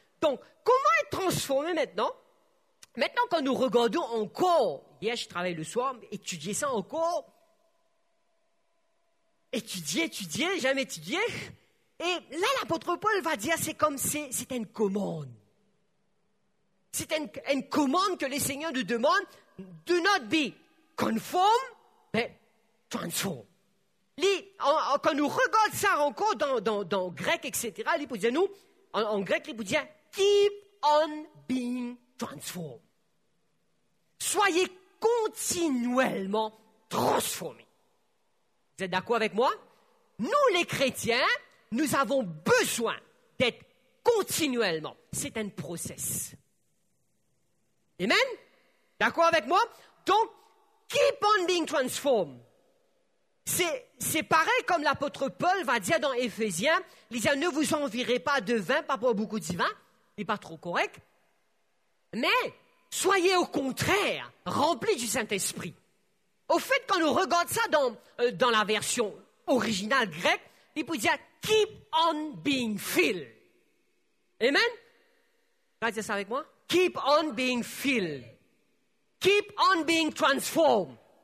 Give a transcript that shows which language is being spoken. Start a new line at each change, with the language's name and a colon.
French: Donc, comment être transformé maintenant? Maintenant, quand nous regardons encore, hier, je travaille le soir, étudier ça encore. Étudier, jamais étudier. Et là, l'apôtre Paul va dire, c'est une commande. C'est une commande que le Seigneur nous demande.
English: Do not be conform, but transform.
French: Quand nous regardons ça encore dans grec, etc., il peut dire nous, en grec, il peut dire
English: keep on being transformed.
French: Soyez continuellement transformés. Vous êtes d'accord avec moi? Nous, les chrétiens, nous avons besoin d'être continuellement. C'est un process. Amen? D'accord avec moi?
English: Donc, keep on being transformed.
French: C'est pareil comme l'apôtre Paul va dire dans Éphésiens, il dit, ne vous envirez pas de vin, pas pour beaucoup de vin, n'est pas trop correct, mais soyez au contraire remplis du Saint-Esprit. Au fait, quand on regarde ça dans la version originale grecque, il peut dire,
English: keep on being filled.
French: Amen? Vous allez dire ça avec moi?
English: Keep on being filled. Keep on being transformed.